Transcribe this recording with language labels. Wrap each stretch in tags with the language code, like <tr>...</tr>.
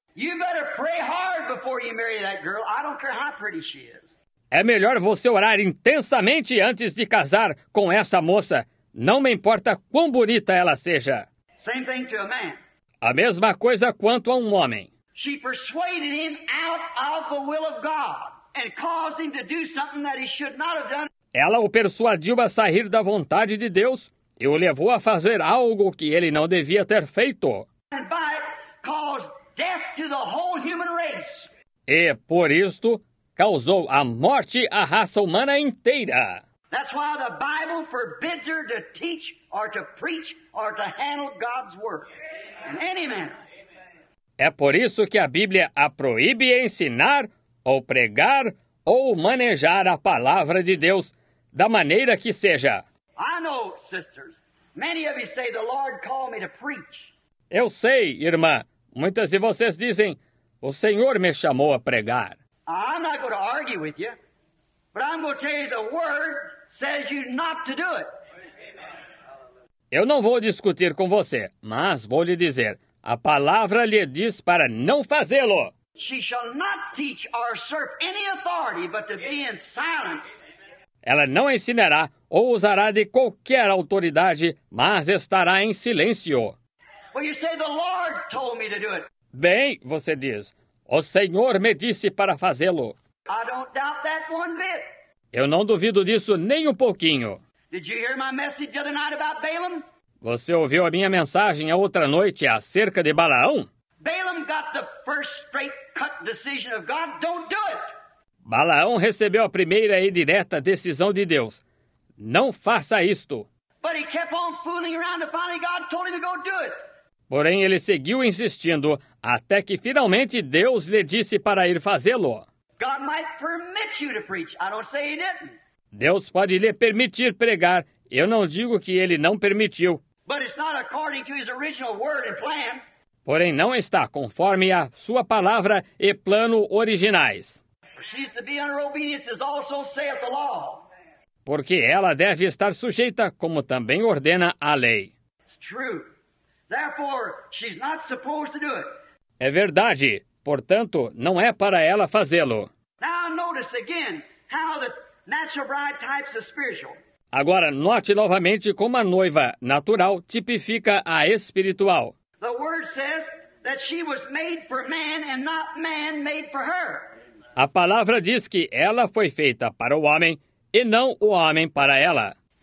<en>You better pray hard before you marry that girl, I don't care how pretty she is.</en> <pt>É melhor você orar intensamente antes de casar com essa moça. Não me importa quão bonita ela seja.</pt> <en>Same thing to a man.</en> <pt>A mesma coisa quanto a um homem.</pt> <en>She persuaded him out of the will of God and caused him to do something that he should not have done.</en> <pt>Ela o persuadiu a sair da vontade de Deus e o levou a fazer algo que ele não devia ter feito.</pt> <en>And by it caused death to the whole human race.</en> <pt>E por isto causou a morte à raça humana inteira.</pt> <en>That's why the Bible forbids her to teach or to preach or to handle God's word in any manner.</en> <pt>É por isso que a Bíblia a proíbe ensinar ou pregar ou manejar a palavra de Deus da maneira que seja.</pt> <en>I know, sisters, many of you say the Lord called me to preach.</en> <pt>Eu sei, irmã, muitas de vocês dizem, o Senhor me chamou a pregar.</pt> <en>I'm not going to argue with you, but I'm going to tell you the word says you not to do it.</en> <pt>Eu não vou discutir com você, mas vou lhe dizer, a palavra lhe diz para não fazê-lo.</pt> <en>She shall not teach or usurp any authority but to be in silence.</en> <pt>Ela não ensinará ou usará de qualquer autoridade, mas estará em silêncio.</pt> <en>Well, you say the Lord told me to do it.</en> <pt>Bem, você diz, o Senhor me disse para fazê-lo.</pt> <en>I don't doubt that one bit.</en> <pt>Eu não duvido disso nem um pouquinho.</pt> <en>Did you hear my message the other night about Balaam?</en> <pt>Você ouviu a minha mensagem a outra noite acerca de Balaão?</pt> <en>Balaam got the first straight cut decision of God. Don't do it.</en> <pt>Balaão recebeu a primeira e direta decisão de Deus. Não faça isto.</pt> <en>But he kept on fooling around and finally God told him to go do it.</en> <pt>Porém, ele seguiu insistindo até que finalmente Deus lhe disse para ir fazê-lo.</pt> <en>God might permit you to preach. I don't say he didn't.</en> <pt>Deus pode lhe permitir pregar. Eu não digo que ele não permitiu.</pt> <en>But it's not according to his original word and plan.</en> <pt>Porém, não está conforme a sua palavra e plano originais.</pt> <en>She's to be under obedience as also saith the law.</en> <pt>Porque ela deve estar sujeita, como também ordena a lei.</pt> <en>It's true. Therefore, she's not supposed to do it.</en> <pt>É verdade. Portanto, não é para ela fazê-lo.</pt> <en>Now notice again how the natural bride types are spiritual.</en> <pt>Agora, note novamente como a noiva natural tipifica a espiritual.</pt> <en>The word says that she was made for man and not man made for her.</en> <pt>A palavra diz que ela foi feita para o homem e não o homem para ela.</pt>